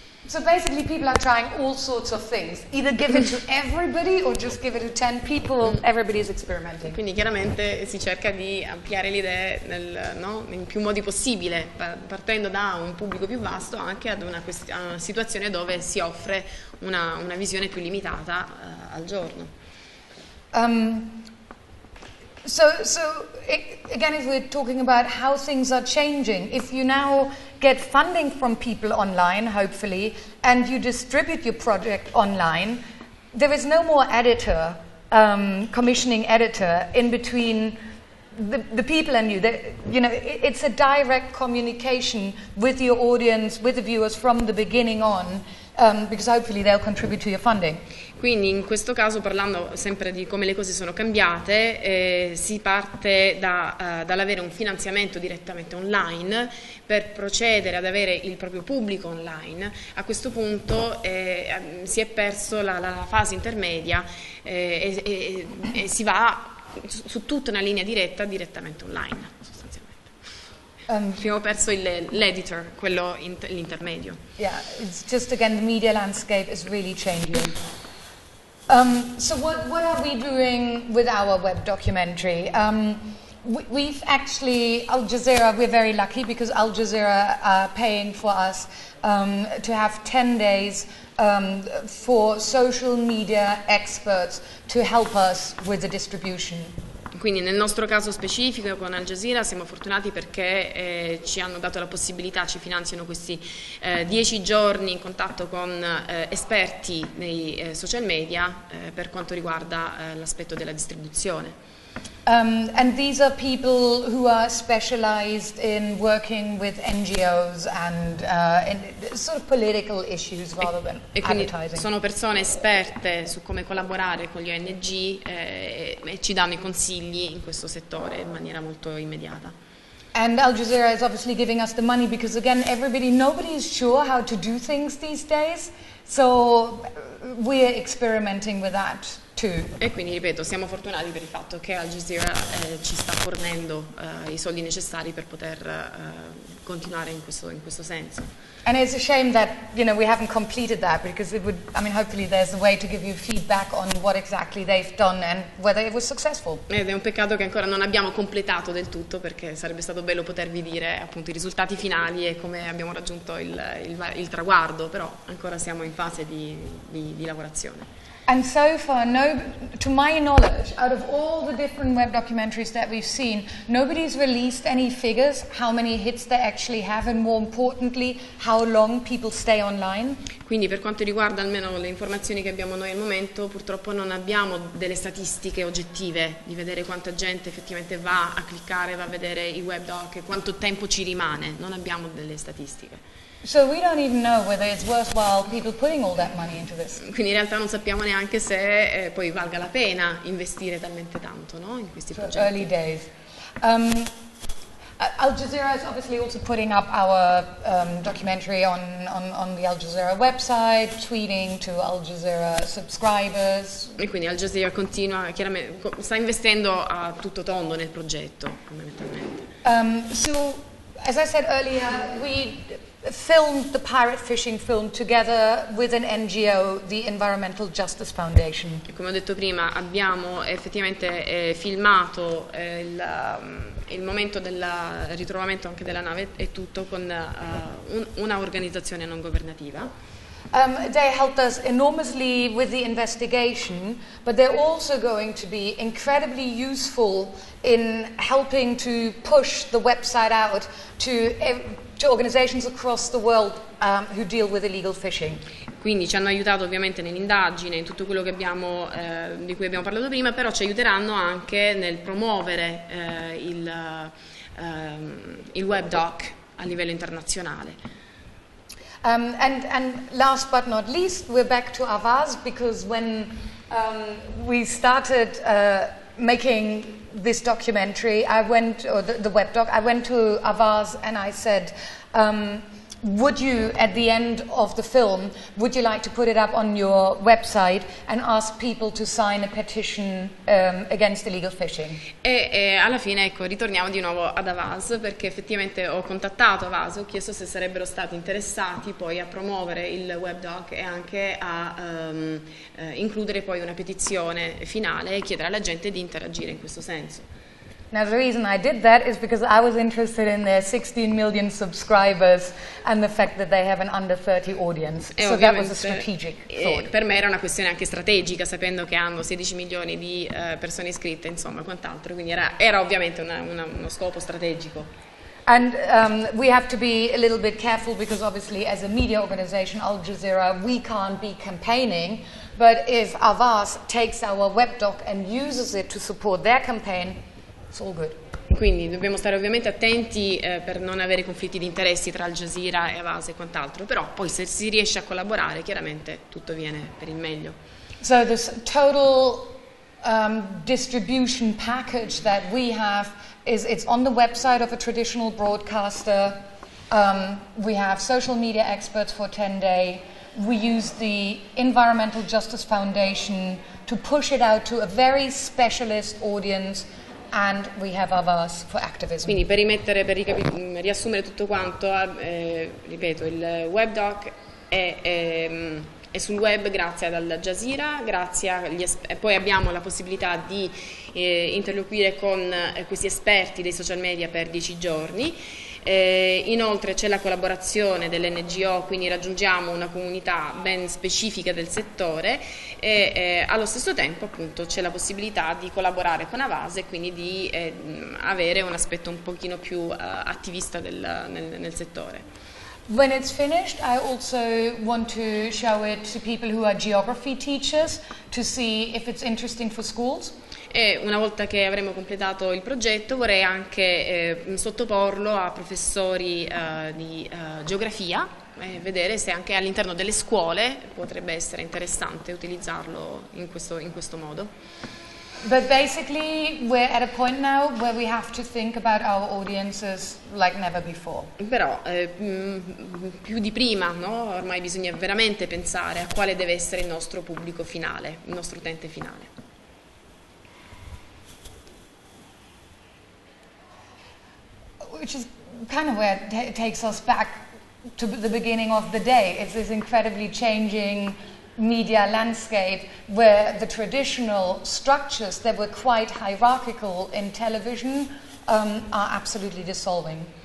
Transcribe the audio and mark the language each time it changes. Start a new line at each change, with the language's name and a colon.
English: So basically people are trying all sorts of things, either give it to everybody or just give it to 10 people, everybody is experimenting.
Italian: Quindi chiaramente si cerca di ampliare l'idea nel, no, in più modi possibile, partendo da un pubblico più vasto anche ad una situazione dove si offre una visione più limitata al giorno.
English: So again, if we're talking about how things are changing, if you now get funding from people online, hopefully, and you distribute your project online, there is no more editor, commissioning editor, in between the people and you. You know, it's a direct communication with your audience, with the viewers from the beginning on, because hopefully they'll contribute to your funding.
Italian: Quindi in questo caso, parlando sempre di come le cose sono cambiate, si parte dall'avere un finanziamento direttamente online per procedere ad avere il proprio pubblico online. A questo punto si è perso la fase intermedia e si va su tutta una linea diretta direttamente online, sostanzialmente. Abbiamo perso l'editor, quello l'intermedio.
English: Yeah, it's just again the media landscape is really changing. So what are we doing with our web documentary? We've actually, Al Jazeera, we're very lucky because Al Jazeera are paying for us to have 10 days for social media experts to help us with the distribution.
Italian: Quindi nel nostro caso specifico con Al Jazeera siamo fortunati perché ci hanno dato la possibilità, ci finanziano questi 10 giorni in contatto con esperti nei social media per quanto riguarda l'aspetto della distribuzione.
English: And these are people who are specialized in working with NGOs and in sort of political issues rather than advertising.
Italian: Sono persone esperte su come collaborare con gli ONG e ci danno I consigli in questo settore in maniera molto immediata.
English: And Al Jazeera is obviously giving us the money because again nobody is sure how to do things these days. So we are experimenting with that.
Italian: E quindi ripeto, siamo fortunati per il fatto che Al Jazeera ci sta fornendo I soldi necessari per poter continuare in questo senso.
English: And it's a shame that you know we haven't completed that because it would, I mean, hopefully there's a way to give you feedback on what exactly they've done and whether it was successful.
Italian: Ed è un peccato che ancora non abbiamo completato del tutto perché sarebbe stato bello potervi dire appunto I risultati finali e come abbiamo raggiunto il traguardo, però ancora siamo in fase di lavorazione.
English: And so far, no, to my knowledge, out of all the different web documentaries that we've seen, nobody's released any figures, how many hits they actually have, and more importantly, how long people stay online.
Italian: Quindi per quanto riguarda almeno le informazioni che abbiamo noi al momento, purtroppo non abbiamo delle statistiche oggettive di vedere quanta gente effettivamente va a cliccare, va a vedere I web doc, e quanto tempo ci rimane, non abbiamo delle statistiche.
English: So we don't even know whether it's worthwhile people putting all that money into this.
Italian: Quindi in realtà non sappiamo neanche se poi valga la pena investire talmente tanto, no, in questi progetti.
English: Early days. Al Jazeera is obviously also putting up our documentary on the Al Jazeera website, tweeting to Al Jazeera subscribers.
Italian: E quindi Al Jazeera continua chiaramente sta investendo a tutto tondo nel progetto, fondamentalmente.
English: So as I said earlier, we filmed the pirate fishing film together with an NGO, the Environmental Justice Foundation.
Italian: Come ho detto prima, abbiamo effettivamente filmato il momento del ritrovamento anche della nave e tutto con una organizzazione non governativa.
English: They helped us enormously with the investigation, but they're also going to be incredibly useful in helping to push the website out to organizations across the world who deal with illegal fishing.
Italian: Quindi ci hanno aiutato ovviamente nell'indagine, in tutto quello che abbiamo, di cui abbiamo parlato prima, però ci aiuteranno anche nel promuovere il web doc a livello internazionale.
English: And last but not least, we're back to Avaz, because when we started making this documentary, I went, or the web doc, I went to Avaz and I said, would you, at the end of the film, would you like to put it up on your website and ask people to sign a petition against illegal fishing?
Italian: E alla fine, ecco, ritorniamo di nuovo ad Avaz, perché effettivamente ho contattato Avaz, ho chiesto se sarebbero stati interessati poi a promuovere il web doc e anche a includere poi una petizione finale e chiedere alla gente di interagire in questo senso.
English: Now the reason I did that is because I was interested in their 16 million subscribers and the fact that they have an under 30 audience.
Italian: E
English: so that was a strategic thought.
Italian: Per me era una questione anche strategica, sapendo che hanno 16 milioni di persone iscritte, insomma, quant'altro. Quindi era ovviamente uno scopo strategico.
English: And we have to be a little bit careful because obviously as a media organization, Al Jazeera, we can't be campaigning. But if Avaz takes our web doc and uses it to support their campaign, all good.
Italian: Quindi dobbiamo stare ovviamente attenti per non avere conflitti di interessi tra Al Jazeera e Avaz e quant'altro, però poi se si riesce a collaborare chiaramente tutto viene per il meglio.
English: So the total distribution package that we have is it's on the website of a traditional broadcaster. We have social media experts for 10 day. We use the Environmental Justice Foundation to push it out to a very specialist audience. And we have Avaz for activism.
Italian: Quindi per rimettere, per riassumere tutto quanto, ripeto, il web doc è sul web grazie ad Al Jazeera, grazie agli poi abbiamo la possibilità di interloquire con questi esperti dei social media per 10 giorni. Inoltre c'è la collaborazione dell'NGO, quindi raggiungiamo una comunità ben specifica del settore e allo stesso tempo appunto c'è la possibilità di collaborare con Avaz e quindi di avere un aspetto un pochino più attivista nel settore.
English: When it's finished, I also want to show it to people who are geography teachers to see if it's interesting for schools.
Italian: e una volta che avremo completato il progetto vorrei anche sottoporlo a professori di geografia e vedere se anche all'interno delle scuole potrebbe essere interessante utilizzarlo in questo modo.
English: But basically we're at a point now where we have to think about our audiences like never before.
Italian: Però più di prima, no? Ormai bisogna veramente pensare a quale deve essere il nostro pubblico finale, il nostro utente finale.
English: Which is kind of where it takes us back to the beginning of the day. It's this incredibly changing media landscape where the traditional structures that were quite hierarchical in television are absolutely dissolving.